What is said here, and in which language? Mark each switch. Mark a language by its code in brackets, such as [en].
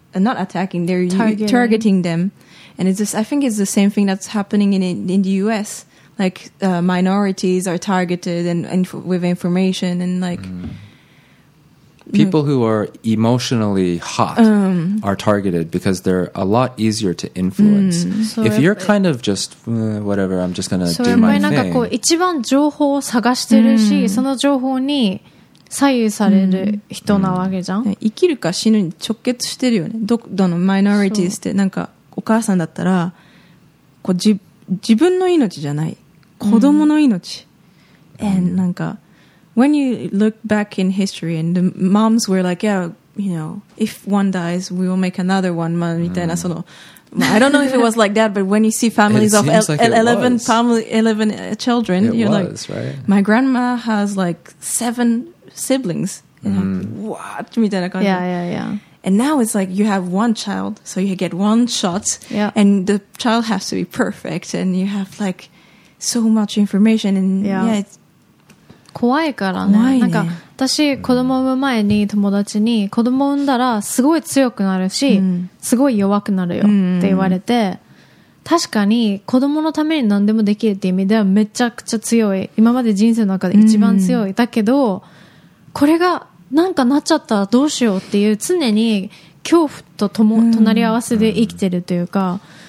[en] Not attacking, they're targeting them. And it's just, I think it's the same thing that's happening in the US. Like,、minorities are targeted and with information and like...、Mm. People who are emotionally hot、are targeted because they're a lot easier to influence.、Mm. If you're kind of just,、whatever, I'm just going to do my thing. [ja] なんかこう一番情報を探してるし、mm. その情報に左右される人なわけじゃん、うんうん、生きるか死ぬに直結してるよねどのマイノリティってなんかお母さんだったらこう自分の命じゃない子供の命、 [en] うん、and なんか when you look back in history and the moms were like yeah you know if one dies we will make another one、うん、 [ja] みたいなその、まあ、 [en] I don't know if it was like that but when you see families of eleven children it was, like、 right? my grandma has like sevensiblings and、mm. like, what yeah and now it's like you have one child so you get one shot、 yeah. and the child has to be perfect and you have like so much information and yeah, yeah it's [ja] 怖いからね怖いねなんか私子供産む前に友達に子供産んだらすごい強くなるし、mm. すごい弱くなるよって言われて、mm. 確かに子供のために何でもできるっていう意味ではめちゃくちゃ強い今まで人生の中で一番強い、うん、だけどこれがなんかなっちゃったらどうしようっていう常に恐怖と隣り合わせで生きてるというか、うん、